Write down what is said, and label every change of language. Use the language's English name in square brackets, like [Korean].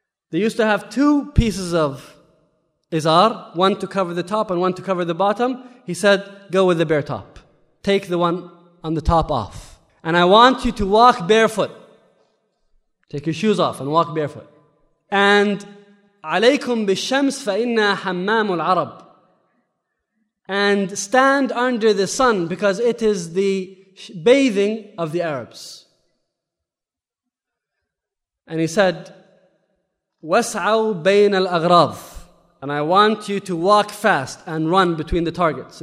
[English] They used to have two pieces of izar, one to cover the top and one to cover the bottom. He said, go with the bare top. Take the one on the top off. And I want you to walk barefoot. Take your shoes off and walk barefoot. [Arabic] And عليكم بالشمس فإن حمام العرب. [English] And stand under the sun because it is the bathing of the Arabs. And he said, [Arabic] وسعوا بين الأغراض. [English] And I want you to walk fast and run between the targets.